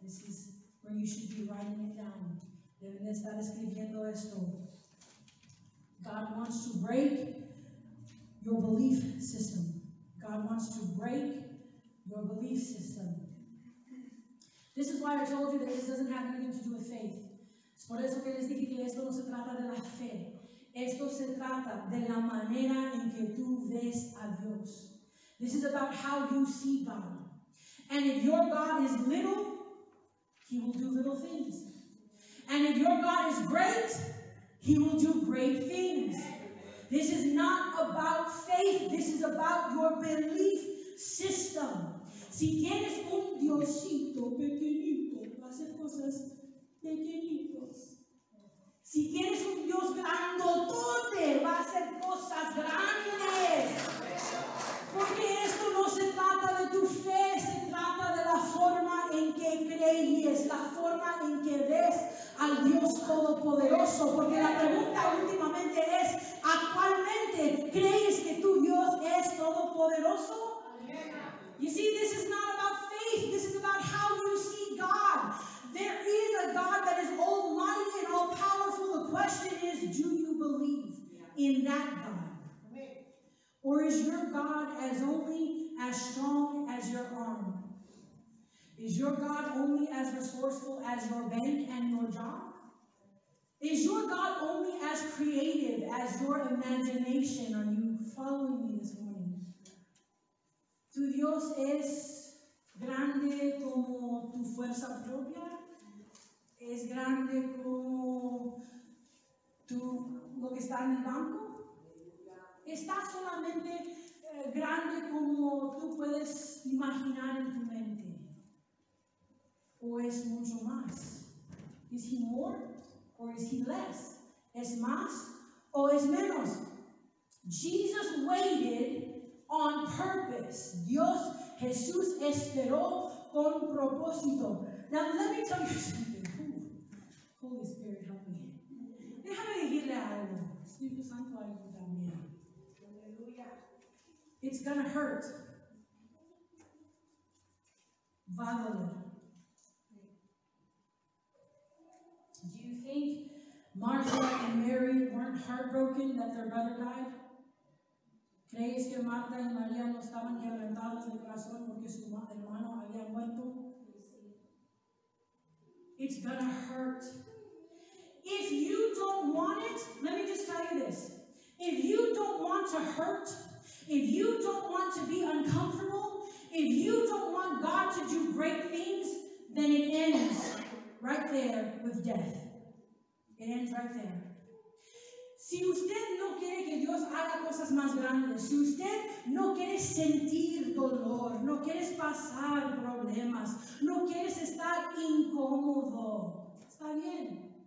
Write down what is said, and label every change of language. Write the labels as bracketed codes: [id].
[en] This is where you should be writing it down. [es] Deben estar escribiendo esto. [en] God wants to break your belief system. God wants to break your belief system. This is why I told you that this doesn't have anything to do with faith. [es] Es por eso que les dije que esto no se trata de la fe. Esto se trata de la manera en que tú ves a Dios. [en] This is about how you see God. And if your God is little, He will do little things. And if your God is great, He will do great things. This is not about faith. This is about your belief system. [es] Si tienes un diosito pequeñito, va a hacer cosas pequeñitos. Si tienes un Dios grandotote, va a hacer cosas grandes. Porque esto no se trata de tu fe, se trata de la forma en que crees, la forma en que ves al Dios Todopoderoso. Porque la pregunta últimamente es, ¿actualmente crees que tu Dios es Todopoderoso? [en] You see, this is not about faith. This is about how you see God. There is a God that is almighty and all powerful. The question is, do you believe in that God? Or is your God as only as strong as your arm? Is your God only as resourceful as your bank and your job? Is your God only as creative as your imagination? Are you following me this morning? [es] ¿Tu Dios es grande como tu fuerza propia? ¿Es grande como tú, lo que está en el banco? ¿Está solamente grande como tú puedes imaginar en tu mente? ¿O es mucho más? [en] ¿Is he more or is he less? [es] ¿Es más o es menos? [en] Jesus waited on purpose. [es] Dios, Jesús esperó con propósito. [en] Now let me tell you something. Ooh, Holy Spirit, help me. [es] Déjame decirle algo. Espíritu Santo, ayúdame. Aleluya. [en] It's gonna hurt. [es] Va a doler. [en] Do you think Martha and Mary weren't heartbroken that their brother died? [es] ¿Crees que Marta y María no estaban quebrantados de corazón porque su hermano había muerto? [en] It's gonna hurt. If you don't want it, let me just tell you this. If you don't want to hurt, if you don't want to be uncomfortable, if you don't want God to do great things, then it ends right there with death. It ends right there. [es] Si usted no quiere que Dios haga cosas más grandes, si usted no quiere sentir dolor, no quiere pasar problemas, no quiere estar incómodo, está bien.